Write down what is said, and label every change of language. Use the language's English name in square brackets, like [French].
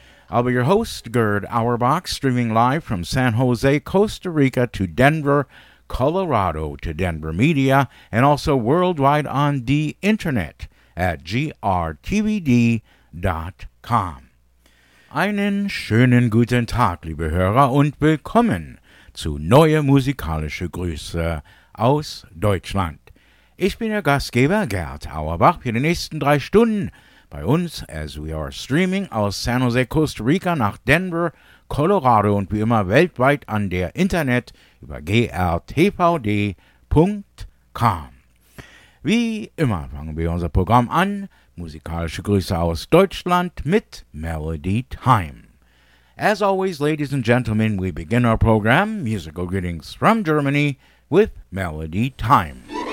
[English] I'll be your host, Gerd Auerbach, streaming live from San Jose, Costa Rica to Denver, Colorado to Denver Media, and also worldwide on the internet at grtvd.com. [German] Einen schönen guten Tag, liebe Hörer, und willkommen zu Neue Musikalische Grüße aus Deutschland. Ich bin Ihr Gastgeber, Gerd Auerbach, für die nächsten drei Stunden bei uns, [English] as we are streaming [German] aus San Jose, Costa Rica nach Denver, Colorado und wie immer weltweit an der Internet über grtvd.com. Wie immer fangen wir unser Programm an, musikalische Grüße aus Deutschland mit Melody Time. [English] As always, ladies and gentlemen, we begin our program, Musical Greetings from Germany, with Melody Time.